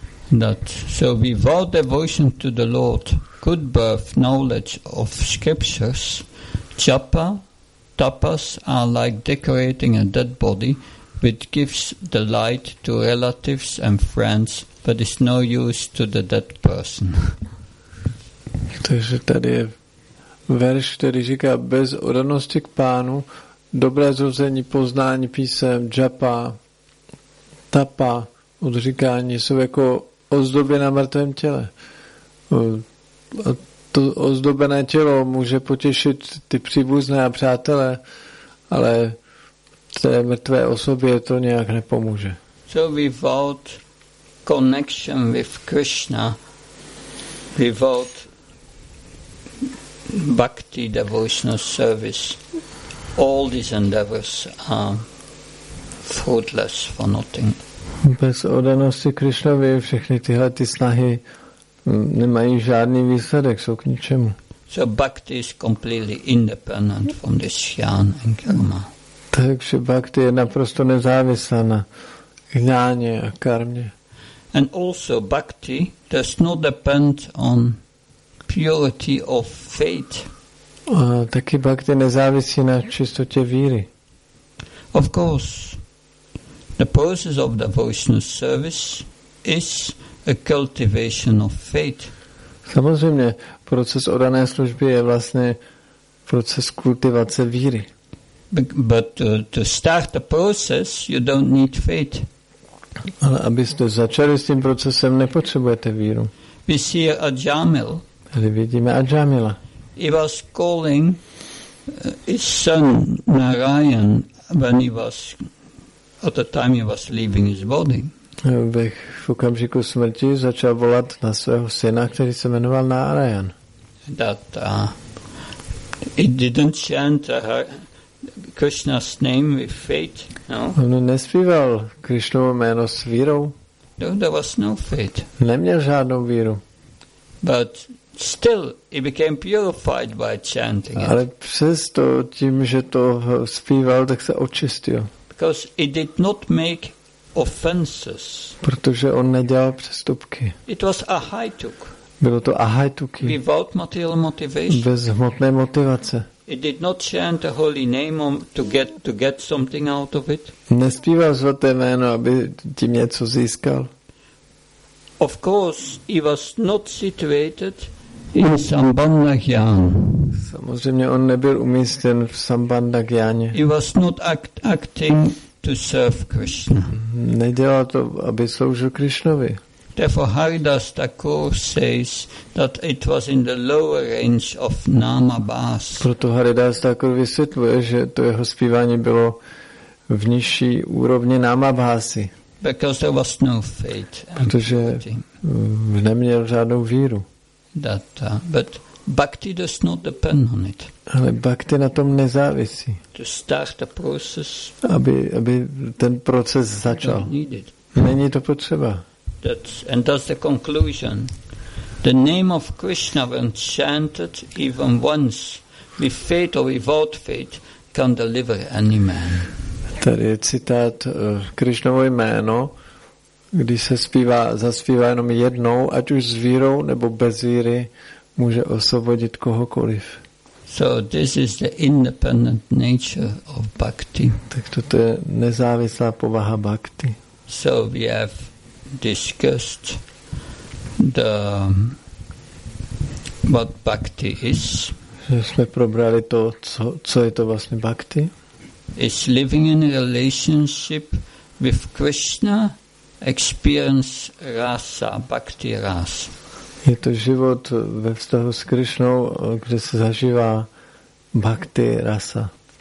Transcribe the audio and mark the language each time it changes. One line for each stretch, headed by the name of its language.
English: That, so without devotion to the Lord, good birth, knowledge of scriptures, japa, tapas are like decorating a dead body, which gives the light to relatives and friends, but is no use to the dead person.
Czech: Takže tady je verš, který říká, bez odanosti k pánu, dobré zrození, poznání písem, japa, tapa, odříkání, jsou jako ozdoby na mrtvém těle. A to ozdobené tělo může potěšit ty příbuzné a přátelé, ale té mrtvé osobě to nějak nepomůže.
English: So without connection with Krishna, without bhakti, devotional service, all these endeavors are fruitless for nothing.
Czech: Bez oddanosti Krishnovi všechny tyhle ty snahy nemají žádný výsledek, jsou k ničemu.
English: So bhakti is completely independent from this jnana and karma.
Czech: Takže bhakti je naprosto nezávislá na jnáně a karmě.
English: And also bhakti does not depend on purity of faith.
Czech: A taky bhakti nezávisí na čistotě víry.
English: Of course, the process of devotional service is a cultivation of faith.
Czech: Samozřejmě, proces oddané služby je vlastně proces kultivace víry.
English: But to start the process, you don't need faith.
Czech: Ale abyste začali s tím procesem, nepotřebujete víru.
English: We see Ajamil.
Czech: Tady vidíme Ajamila.
English: He was calling his son Narayan when he was, at the time he was leaving his body.
Czech: V okamžiku smrti začal volat na svého syna, který se jmenoval Narayan.
English: That he didn't chant Krishna's name with faith.
Czech: No? On nespíval Krishnovo jméno s vírou.
English: No, there was no faith.
Czech: Neměl žádnou víru.
English: But still, he became purified by chanting it.
Czech: Ale přesto tím, že to zpíval, tak se očistil.
English: Because he did not make offenses.
Czech: Protože on nedělal přestupky.
English: It was ahaituk.
Czech: Bylo to ahaituky.
English: Without material motivation.
Czech: Bez hmotné motivace.
English: It did not chant the holy name to get something out of it.
Czech: Nespíval svaté jméno, aby tím něco získal.
English: Of course, he was not situated in Sambandha Gyan.
Czech: Samozřejmě on nebyl umístěn v Sambandha Gyáně.
English: He was not acting to serve Krishna.
Czech: Nedělal to, aby sloužil Krishnovi.
English: Therefore, Haridas Thakur says that it was in the lower range of Namabas.
Czech: Proto Haridas Thakur vysvětluje, že to jeho zpívání bylo v nižší úrovni Namabhasy.
English: Because there was no faith.
Czech: Protože neměl žádnou víru.
English: That, but bhakti does not depend on it.
Czech: Ale bhakti na tom nezávisí.
English: To start the process.
Czech: Aby ten proces začal. Není to potřeba.
English: That's, and that's the conclusion. The name of Krishna when chanted even once with faith or without faith can deliver any man.
Czech: Tady je citát Krishnovo jméno, když se zpívá, zaspívá jenom jednou, ať už s vírou nebo bez víry, může osvobodit kohokoliv.
English: So this is the independent nature of bhakti.
Czech: Tak toto je nezávislá povaha bhakti.
English: So we have discussed the what bhakti is.
Czech: Že jsme probrali to, co je to vlastně bhakti.
English: Is living in a relationship with Krishna, experience rasa, bhakti ras.
Czech: Je to život ve vztahu s Krishnou, kde se zažívá bhakti rasa.